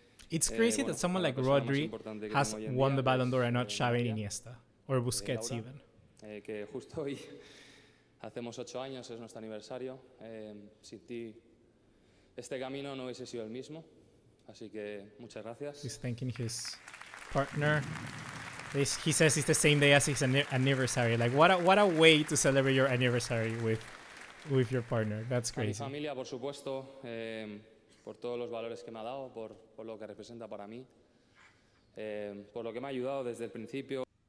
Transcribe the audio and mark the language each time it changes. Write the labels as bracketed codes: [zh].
[en] It's crazy that someone like Rodri has won the Ballon d'Or and not Xavi and Iniesta, or Busquets Laura, even. [es] Que justo hoy... Hacemos 8 años, es nuestro aniversario. Sin ti, este camino no hubiese sido el mismo. Así que muchas gracias. [en] He's thanking his partner. He says it's the same day as his anniversary. Like, what a way to celebrate your anniversary with your partner. That's crazy. [es] A mi familia, por supuesto, por todos los valores que me ha dado, por lo que representa para mí, por lo que me ha ayudado desde el principio.